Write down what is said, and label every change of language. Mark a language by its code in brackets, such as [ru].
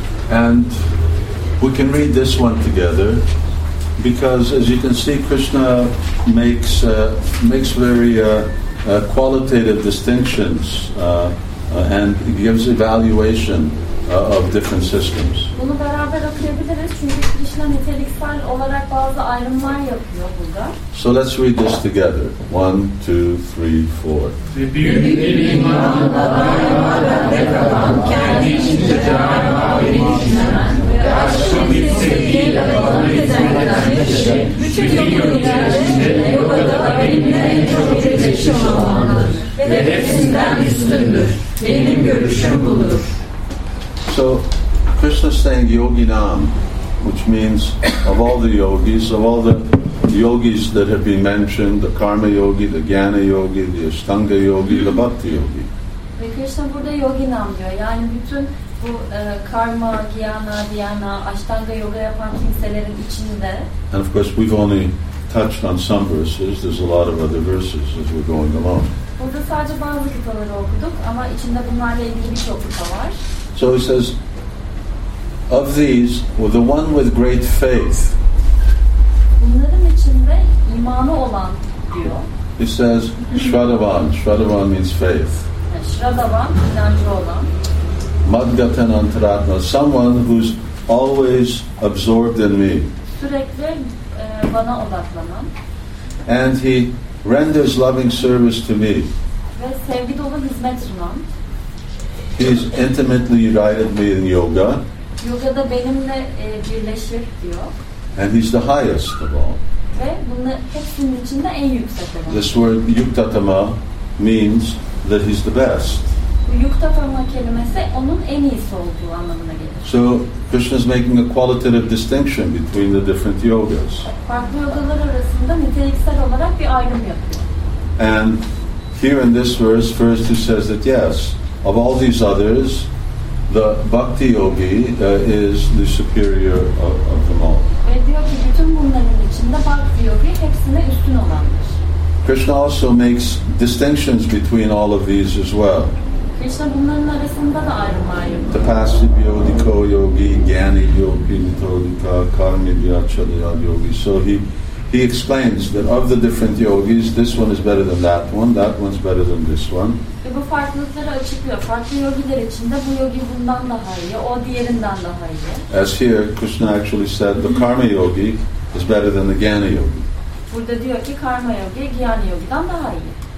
[en] And we can read this one together because, as you can see, Krishna makes very qualitative distinctions and gives evaluation of different systems. [tr] Bunu beraber okuyabiliriz çünkü Krishna niteliksel olarak bazı ayrımlar yapıyor burada. [en] So let's read this together. 1, 2, 3, 4. So Krishna is saying yoginam, which means of all the yogis, of all the yogis that have been mentioned, the karma yogi, the jnana yogi, the ashtanga yogi, the bhakti yogi. [tr] Ve Krishna burada yoginam diyor. Yani bütün bu karma, jnana, dhyana, ashtanga yoga yapan kimselerin içinde. [en] And of course we've only touched on some verses. There's a lot of other verses as we're going along. [tr] Burada sadece bazı kıtaları okuduk ama içinde bunlarla ilgili birçok kıta var. [en] So he says, of these, well, the one with great faith. [tr] Bunların içinde imanı olan diyor. [en] He says, Shraddhavan. Shraddhavan means faith. [tr] Shraddhavan, inancı olan. [sa] Madgatan antaratma. [en] Someone who's always absorbed in me. [tr] Sürekli bana odaklanan. [en] And he renders loving service to me. [tr] Ve sevgi dolu hizmet sunan. [en] He's intimately united me in yoga. [tr] Yoga'da benimle birleşir diyor. [en] And he's the highest of all. [tr] Ve bunun hepsinin içinde en yüksek olan. [en] This word yuktatama means that he's the best. [tr] Yuktatama kelimesi onun en iyisi olduğu anlamına gelir. [en] So Krishna's making a qualitative distinction between the different yogas. [tr] Farklı yogalar arasında niteliksel olarak bir ayrım yapıyor. [en] And here in this verse, first he says that yes, of all these others, the bhakti yogi is the superior of them all. [tr] Ve diyor ki bütün bunların içinde bhakti yogi hepsine üstün olandır. [en] Krishna also makes distinctions between all of these as well. [tr] Krishna bunların arasında da ayrım ayrım. Tapasya yogi, ko yogi, gyani yogi, nitrodika, karmi vyachalaya yogi. [en] So he explains that of the different yogis, this one is better than that one, that one's better than this one. [tr] Ve bu farklılıkları açıklıyor. Farklı yogiler içinde bu yogi bundan daha iyi, o diğerinden daha iyi. [en] As here, Krishna actually said the karma yogi is better than the gyani yogi. [tr] Burada diyor ki karma yogi, gyani yogidan daha iyi.